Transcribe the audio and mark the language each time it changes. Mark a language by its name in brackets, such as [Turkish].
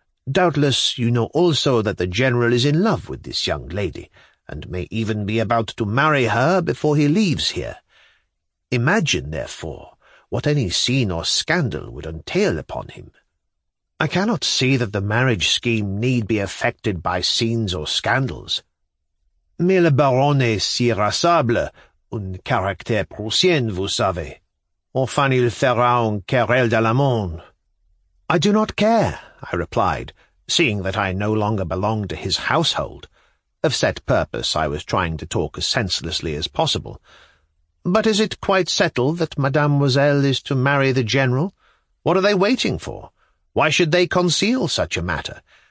[English] Doubtless you know also that the General is in love with this young lady, and may even be about to marry her before he leaves here. Imagine, therefore, what any scene or scandal would entail upon him. I cannot see that the marriage scheme need be affected by scenes or scandals. [French] Mais le baron est si irascible, un caractère prussien, vous savez. Enfin, il fera une querelle de l'amende. [English] I do not care, I replied, seeing that I no longer belonged to his household. of set purpose I was trying to talk as senselessly as possible. "But is it quite settled that Mademoiselle is to marry the General? What are they waiting for? Why should they conceal such a matter?